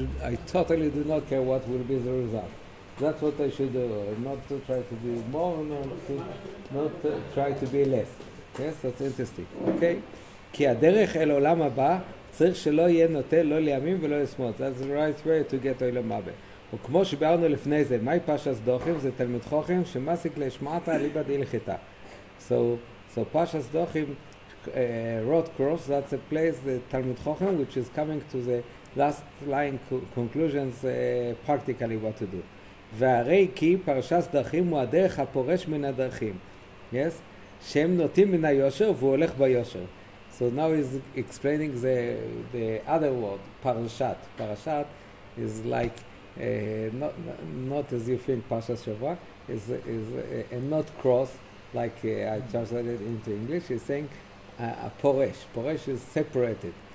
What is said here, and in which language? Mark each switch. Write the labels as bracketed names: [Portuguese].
[English] I totally do not care what will be the result. That's what I should do, not to try to be more, not to try to be less. Yes, that's interesting. Okay? [Hebrew] כי הדרך אל עולם הבא צריך שלא יהיה נוטה לא לימים ולא לשמאל. [English] That's the right way to get to עולם הבא. [Hebrew] וכמו שבארנו לפני זה, מהי פשס דוחים? זה תלמיד חוכם שמסיק להשמעת הליבה די לחיטה. [English] So פשס דוחים, road cross, that's a place, the Talmud Chochem, which is coming to the last line conclusions practically what to do. [Hebrew] והרי כי פרשס דרכים הוא הדרך הפורש מן הדרכים. [English] Yes? [Hebrew] שהם נוטים מן היושר והוא הולך ביושר. [English] So now he's explaining the other word, פרשת. פרשת is like not as you think, Parshas Shavua, is not cross, like I translated it into English. He's saying a poresh. Poresh is separated.